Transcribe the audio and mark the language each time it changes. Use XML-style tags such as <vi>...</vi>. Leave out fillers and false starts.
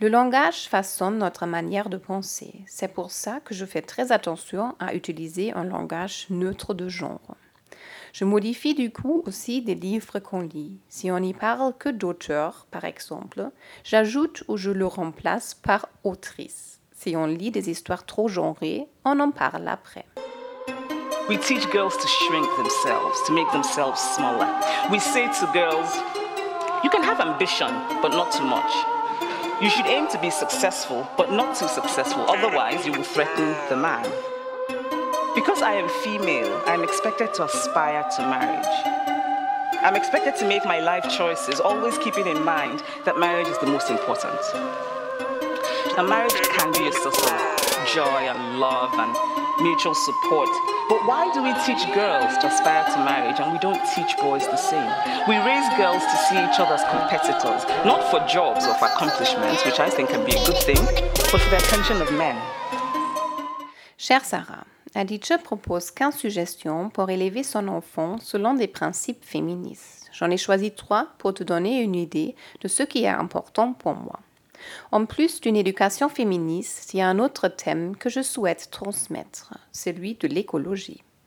<fr>Le langage façonne notre manière de penser. C'est pour ça que je fais très attention à utiliser un langage neutre de genre. Je modifie du coup aussi des livres qu'on lit. Si on n'y parle que d'auteur, par exemple, j'ajoute ou je le remplace par autrice. Si on lit des histoires trop genrées, on en parle après.</fr> <en>We teach girls to shrink themselves, to make themselves smaller. We say to girls, you can have ambition, but not too much. You should aim to be successful, but not too successful, otherwise you will threaten the man. Because I am female, I'm expected to aspire to marriage. I'm expected to make my life choices, always keeping in mind that marriage is the most important. A marriage can be a source of joy and love and mutual support. But why do we teach girls to aspire to marriage and we don't teach boys the same? We raise girls to see each other as competitors, not for jobs or for accomplishments, which I think can be a good thing, but for the attention of men.</en> <fr>Cher Sarah, Adige propose 15 suggestions pour élever son enfant selon des principes féministes. J'en ai choisi 3 pour te donner une idée de ce qui est important pour moi. En plus d'une éducation féministe, il y a un autre thème que je souhaite transmettre, celui de l'écologie.</fr>